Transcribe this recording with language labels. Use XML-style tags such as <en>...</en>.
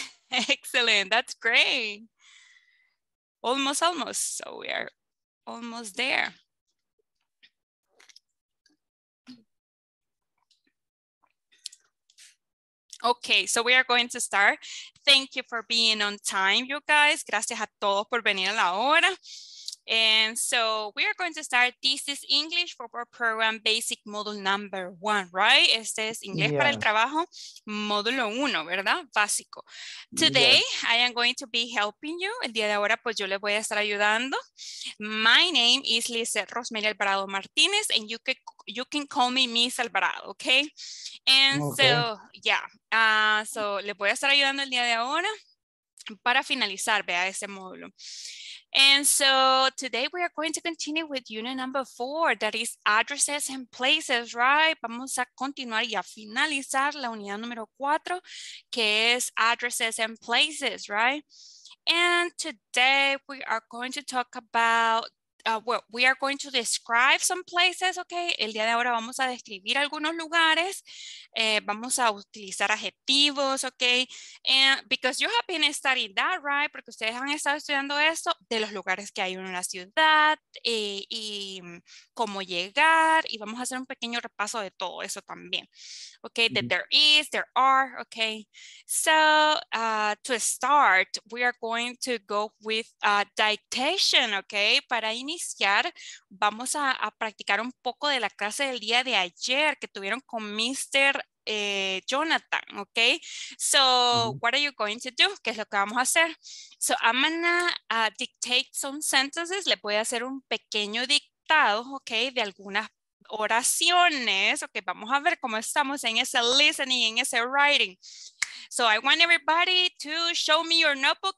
<en>Excellent. That's great. Almost. So we are almost there. Okay, so we are going to start. Thank you for being on time, you guys.</en> <es>Gracias a todos por venir a la hora.</es> <en>And so we are going to start. This is English for Work Program Basic Module Number 1, right?</en> <es>Este es Inglés para el Trabajo, Módulo 1, ¿verdad? Básico.</es> <en>Today, I am going to be helping you.</en> <es>El día de ahora, pues yo les voy a estar ayudando.</es> <en>My name is Lizeth Rosemary Alvarado Martínez, and you can call me Miss Alvarado, okay?</en> <es>So les voy a estar ayudando el día de ahora para finalizar, vea, ese módulo.</es> <en>And so today we are going to continue with unit number 4, that is addresses and places, right?</en> <es>Vamos a continuar y a finalizar la unidad número 4, que es addresses and places, right?</es> <en>And today we are going to talk about, we are going to describe some places, okay?</en> <es>El día de ahora vamos a describir algunos lugares. Vamos a utilizar adjetivos, okay?</es> <en>And because you have been studying that, right?</en> <es>Porque ustedes han estado estudiando eso, de los lugares que hay en la ciudad, y cómo llegar, y vamos a hacer un pequeño repaso de todo eso también.</es> <en>Okay, that there is, there are, okay? So, to start, we are going to go with dictation, okay?</en> <es>Para iniciar, vamos a practicar un poco de la clase del día de ayer que tuvieron con Mr.</es> <en>Jonathan, ¿ok? So, what are you going to do?</en> <es>¿Qué es lo que vamos a hacer?</es> <en>So, I'm gonna dictate some sentences.</en> <es>Le voy a hacer un pequeño dictado, ¿ok? De algunas oraciones, ¿ok? Vamos a ver cómo estamos en ese listening, en ese writing.</es> <en>So I want everybody to show me your notebook.</en>